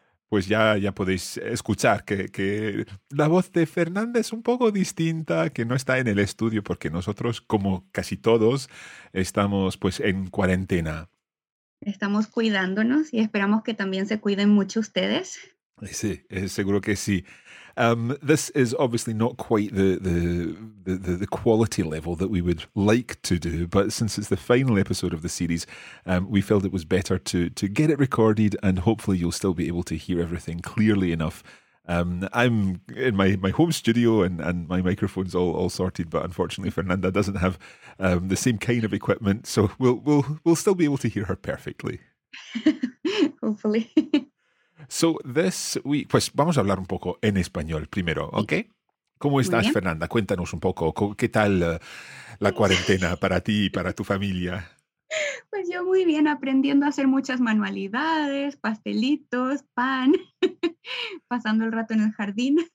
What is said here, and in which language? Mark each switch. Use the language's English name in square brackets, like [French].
[Spanish] Pues ya podéis escuchar que la voz de Fernanda es un poco distinta, que no está en el estudio, porque nosotros, como casi todos, estamos pues en cuarentena. Estamos cuidándonos y esperamos que también se cuiden mucho ustedes. Sí, seguro que sí. [English] This is obviously not quite the quality level that we would like to do, but since it's the final episode of the series, we felt it was better to get it recorded, and hopefully you'll still be able to hear everything clearly enough. I'm in my home studio and my microphone's all sorted, but unfortunately Fernanda doesn't have the same kind of equipment, so we'll still be able to hear her perfectly. Hopefully. So this week, [Spanish] pues vamos a hablar un poco en español primero, ¿ok? ¿Cómo estás, Fernanda? Cuéntanos un poco, ¿qué tal la cuarentena para ti y para tu familia? Pues yo muy bien, aprendiendo a hacer muchas manualidades, pastelitos, pan, pasando el rato en el jardín.